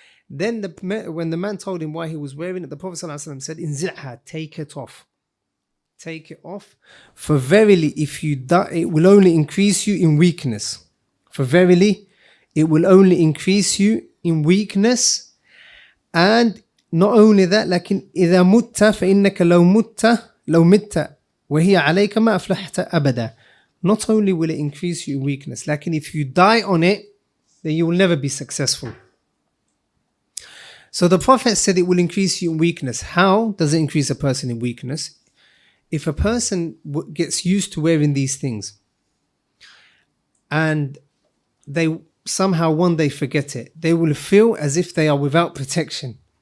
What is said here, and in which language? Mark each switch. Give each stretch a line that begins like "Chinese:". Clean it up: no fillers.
English: Then when the man told him why he was wearing it, the Prophet sallallahu alaihi wasallam said, "Inzi'ha, take it off. Take it off. For verily, if you die, it will only increase you in weakness. For verily, it will only increase you in weakness." And not only that,
Arabic: لكن إذا مت فإنك لو مت وهي عليك ما أفلحت أبدا.
English: Not only will it increase you in weakness, لكن if you die on it, then you will never be successful. So the Prophet said it will increase you in weakness. How does it increase a person in weakness? If a person gets used to wearing these things, and they somehow one day forget it, they will feel as if they are without protection.